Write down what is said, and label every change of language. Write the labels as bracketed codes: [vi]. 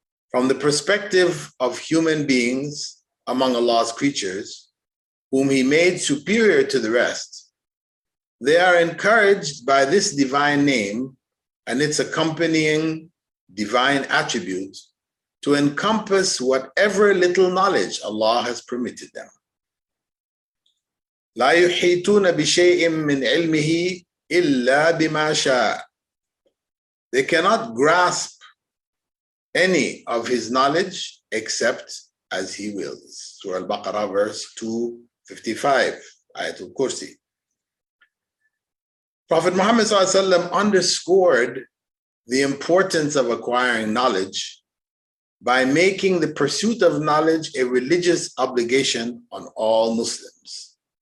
[en] From the perspective of human beings among Allah's creatures, whom he made superior to the rest, they are encouraged by this divine name and its accompanying divine attributes to encompass whatever little knowledge Allah has permitted them. [ar] لا يحيطون بشيء من علمه إلا بما شاء. [en] They cannot grasp any of his knowledge except as he wills. Surah Al-Baqarah, verse 255, Ayatul Kursi. Prophet Muhammad sallallahu alaihi wasallam underscored the importance of acquiring knowledge by making the pursuit of knowledge a religious obligation on all Muslims.